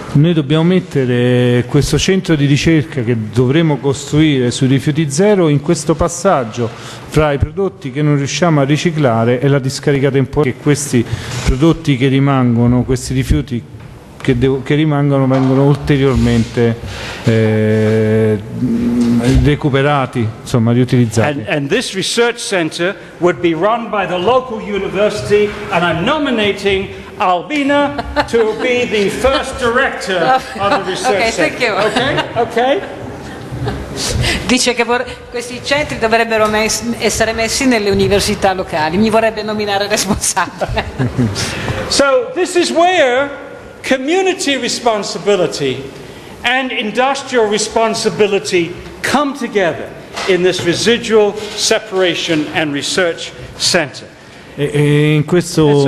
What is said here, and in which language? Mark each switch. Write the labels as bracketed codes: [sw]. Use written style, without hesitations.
[it] Noi dobbiamo mettere questo centro di ricerca che dovremo costruire sui rifiuti zero in questo passaggio fra i prodotti che non riusciamo a riciclare e la discarica temporanea, che questi prodotti che rimangono, questi rifiuti che rimangono, vengono ulteriormente recuperati, insomma riutilizzati. [en] And this research center would be run by the local university, and I'm nominating Albina to be the first director of the research center. Okay, thank you. Okay. [it] Dice che questi centri dovrebbero essere messi nelle università locali. Mi vorrebbe nominare responsabile. [en] So this is where community responsibility and industrial responsibility come together in this residual separation and research center. [it] In questo,